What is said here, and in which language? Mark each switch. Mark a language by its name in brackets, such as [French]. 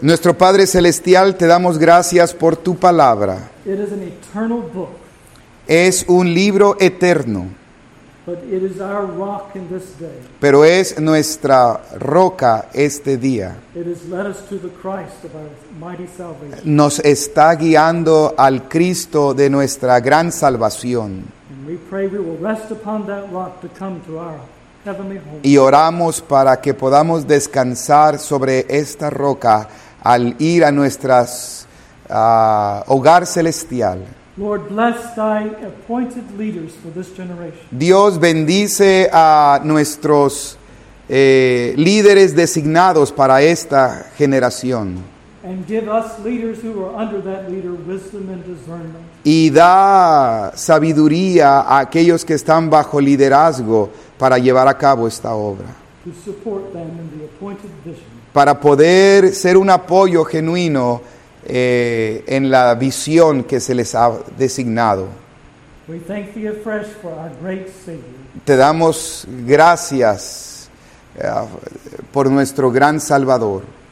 [Spanish] Nuestro Padre Celestial, te damos gracias por tu palabra. [English] It is an eternal book. [Spanish] Es un libro eterno. [English] But it is our rock in this day. [Spanish] Pero es nuestra roca este día. [English] It has led us to the Christ of our mighty salvation. [Spanish] Nos está guiando al Cristo de nuestra gran salvación. [English] And we pray we will rest upon that rock to come to our heavenly home. [Spanish] Y oramos para que podamos descansar sobre esta roca al ir a nuestras hogar celestial. [English] Lord, bless thy appointed leaders for this generation. [Spanish] Dios bendice a nuestros líderes designados para esta generación. [English] And give us leaders who are under that leader wisdom and discernment. [Spanish] Y da sabiduría a aquellos que están bajo liderazgo para llevar a cabo esta obra. [English] To support them in the appointed vision. [Spanish] Para poder ser un apoyo genuino en la visión que se les ha designado. [English] We thank thee afresh for our great Savior. [Spanish] Te damos gracias por nuestro gran Salvador.